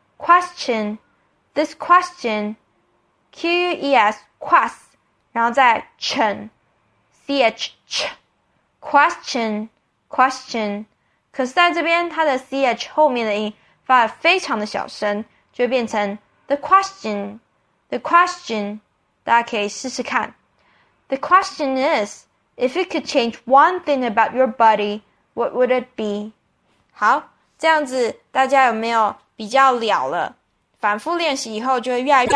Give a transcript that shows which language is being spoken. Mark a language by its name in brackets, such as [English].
[Chinese] Question，this question。Q-U-E-S，quest，然后再 chen，C-H-ch，question，question，可是在这边它的 C-H 后面的音发得非常的小声，就变成 the question，大家可以试试看。 [English] The question is, if you could change one thing about your body, what would it be? [Chinese] 好，这样子大家有没有比较了？反复练习以后就会越来越。